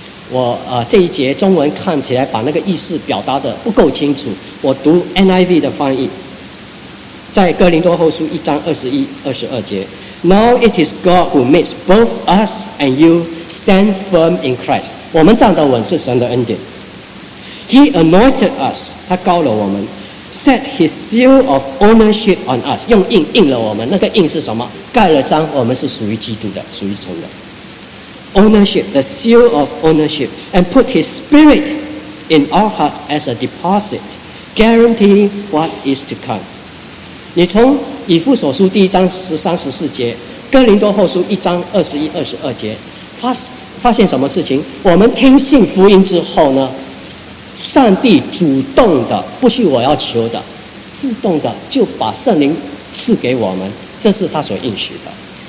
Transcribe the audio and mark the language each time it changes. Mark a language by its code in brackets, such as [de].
[zh] 我这一节中文看起来把那个意思表达的不够清楚，我读 NIV 的翻译，在哥林多后书一章二十一、二十二节 ， [en] Now it is God who makes both us and you stand firm in Christ。 [zh] 我们站得稳是神的恩典。 [en] He anointed us， [zh] 他高了我们 [en] ，set his seal of ownership on us， [zh] 用印了我们，那个印是什么？盖了章，我们是属于基督的，属于神的。 [en] Ownership, the seal of ownership, and put His Spirit in our heart as a deposit, guaranteeing what is to come. [zh] 你从以弗所书第一章十三十四节，哥林多后书一章二十一、二十二节，发现什么事情？我们听信福音之后呢，上帝主动的，不需我要求的，自动的就把圣灵赐给我们，这是他所应许的。